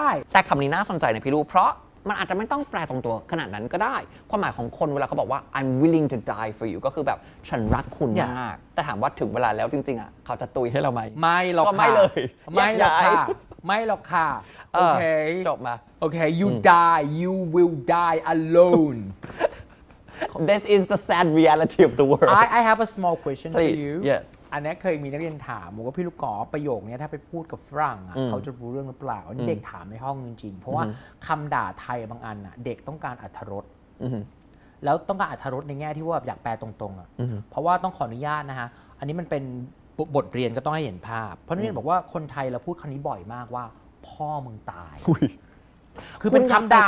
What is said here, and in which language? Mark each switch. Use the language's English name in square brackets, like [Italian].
[Thai] แต่คำนี้น่าสนใจนะพี่ลูกเพราะมันอาจจะไม่ต้องแปลตรงตัวขนาดนั้นก็ได้ความหมายของคนเวลาเขาบอกว่า [English] I'm willing to die for you [Thai] ก็คือแบบฉันรักคุณมากแต่ถามว่าถึงเวลาแล้วจริงๆอ่ะเขาจะตุยให้เราไหม ไม่หรอกค่ะ ไม่เลย ไม่หรอกค่ะไม่หรอกค่ะโอเค จบมา [English] โอเค you die you will die alone this is the sad reality of the world I have a small question please for you. yes [Thai] อันนี้เคยมีนักเรียนถามว่าพี่ลูกกอประโยคนี้ถ้าไปพูดกับฝรั่งเขาจะรู้เรื่องหรือเปล่าเด็กถามในห้องจริงๆเพราะว่าคำด่าไทยบางอันเด็กต้องการอรรถรสแล้วต้องการอรรถรสในแง่ที่ว่าอยากแปลตรงๆเพราะว่าต้องขออนุญาตนะฮะอันนี้มันเป็นบทเรียนก็ต้องให้เห็นภาพเพราะนี่บอกว่าคนไทยเราพูดคำนี้บ่อยมากว่าพ่อมึงตายคือเป็นคำด่า